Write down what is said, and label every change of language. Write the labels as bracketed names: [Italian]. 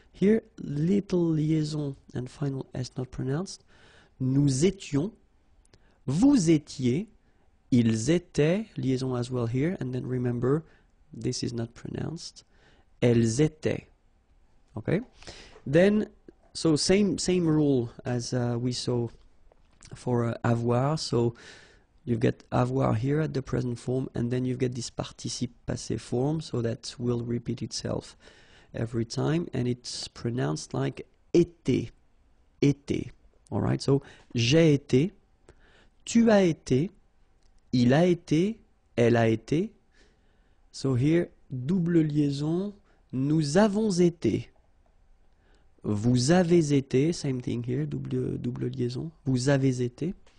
[English] Here, little liaison and final S not pronounced. [French] Nous étions, vous étiez, ils étaient, [English] liaison as well here. And then remember, this is not pronounced. [French] Elles étaient. [English] Okay, then, so same rule as we saw for avoir, so You've got avoir here at the present form, and then you've got this participe passé form, so that will repeat itself every time, and it's pronounced like été, été. All right, so [French] j'ai été, tu as été, il a été, elle a été. [English] So here, double liaison, [French] nous avons été, vous avez été, [English] same thing here, double liaison, [French] vous avez été.